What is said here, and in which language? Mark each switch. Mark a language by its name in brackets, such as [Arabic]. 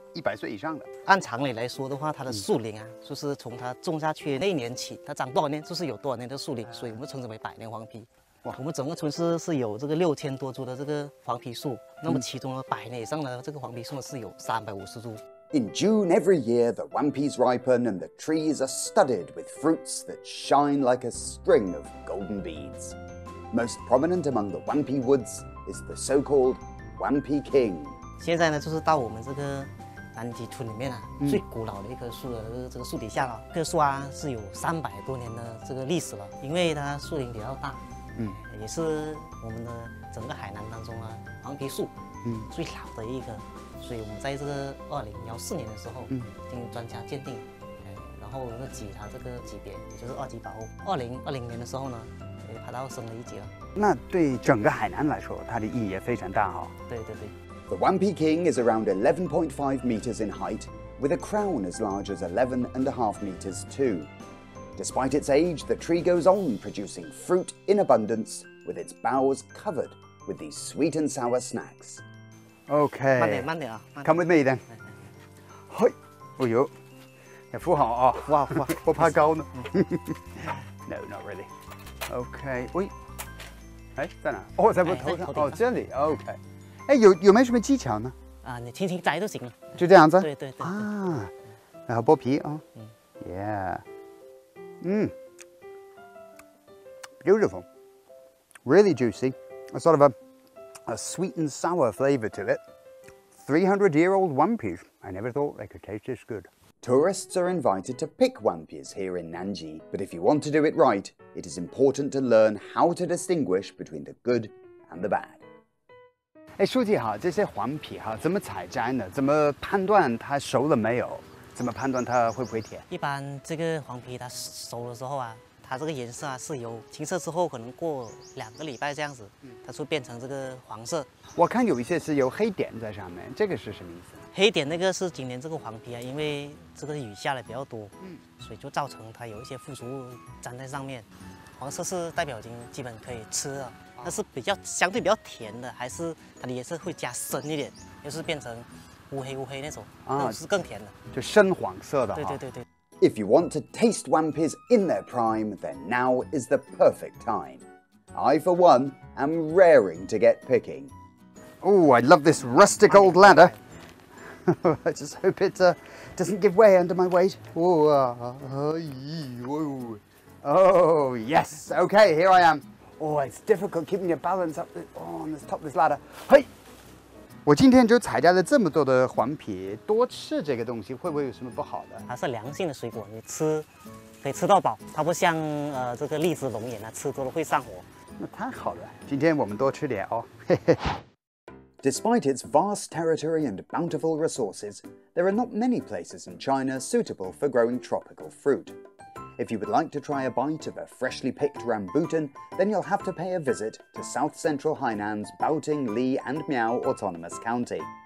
[Chinese] 100岁以上的，按常理来说的话，它的树龄啊，就是从它种下去那一年起，它长多少年就是有多少年的树龄，所以我们称之为百年黄皮。哇，我们整个村市是有这个6000多株的这个黄皮树，那么其中的百年以上的这个黄皮树是有350株。 [English] In June every year, the wampis ripen and the trees are studded with fruits that shine like a string of golden beads. Most prominent among the wampi woods is the so-called wampi king. [Chinese] 现在呢，就是到我们这个。南极村里面啊，最古老的一棵树的这个树底下了，这棵树啊是有300多年的这个历史了，因为它树龄比较大，也是我们的整个海南当中啊黄皮树，最老的一棵，所以我们在这个2014年的时候，经专家鉴定，然后又给它这个级别，也就是二级保护。 2020年的时候呢，也爬到升了一级了。那对整个海南来说，它的意义也非常大哈、哦。对对对。 [English] The Wampi King is around 11.5 meters in height, with a crown as large as 11.5 meters too. Despite its age, the tree goes on producing fruit in abundance, with its boughs covered with these sweet and sour snacks. Okay. [Chinese] 慢点啊。 [English] Come with me then. 嘿，哎呦， [Chinese] 要扶好啊！哇，我怕高呢。 [English] No, not really. [Chinese] Okay. 喂，哎，在哪？哦，在我头上。头上哦，这里。Okay. 哎，有没有什么技巧呢？啊，你轻轻摘就行了，就这样子。对对 对, 对。啊，然后剥皮啊、哦。 [English] Beautiful, really juicy, a sort of a sweet and sour flavor to it. 300-year-old wampis. I never thought they could taste this good. Tourists are invited to pick wampis here in Nanji, but if you want to do it right, it is important to learn how to distinguish between the good and the bad. [Chinese] 哎，书记哈，这些黄皮哈怎么采摘呢？怎么判断它熟了没有？怎么判断它会不会甜？一般这个黄皮它熟了之后啊，它这个颜色啊是由青色之后可能过2个礼拜这样子，它就变成这个黄色。我看有一些是有黑点在上面，这个是什么意思？黑点那个是今年这个黄皮啊，因为这个雨下的比较多，所以就造成它有一些附着物粘在上面。黄色是代表已经基本可以吃了。它是比较相对比较甜的，还是它的颜色会加深一点，就是变成乌黑那种，那种是更甜的，就深黄色的。对对对对。 [English] If you want to taste wampis in their prime, then now is the perfect time. I for one am raring to get picking. Oh, I love this rustic old ladder. I just hope it doesn't give way under my weight. Oh yes. Okay, here I am. Oh, it's difficult keeping your balance up on the top of this ladder. [Chinese] Hey, 我今天就采摘了这么多的黄皮，多吃这个东西会不会有什么不好的？它是凉性的水果，你吃可以吃到饱，它不像这个荔枝龙眼啊，吃多了会上火。那太好了，今天我们多吃点哦。 [English] Despite its vast territory and bountiful resources, there are not many places in China suitable for growing tropical fruit. If you would like to try a bite of a freshly picked rambutan, then you'll have to pay a visit to south-central Hainan's Baoting, Li and Miao Autonomous County.